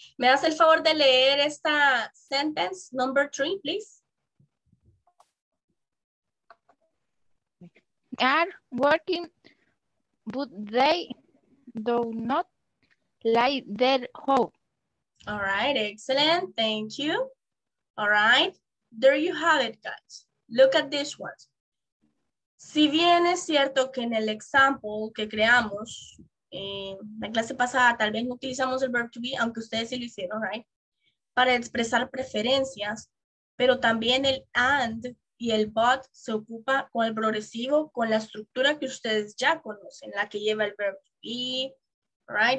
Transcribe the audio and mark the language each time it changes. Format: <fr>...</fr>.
<es>¿Me das el favor de leer esta sentence, number three, please?</es> <en>They are working, but they do not like their home. All right, excellent, thank you. All right, there you have it, guys. Look at this one.</en> <es>Si bien es cierto que en el example que creamos, la clase pasada tal vez no utilizamos el verb to be, aunque ustedes sí lo hicieron, right? Para expresar preferencias, pero también el and y el but se ocupa con el progresivo, con la estructura que ustedes ya conocen, la que lleva el verb to be, right?</es>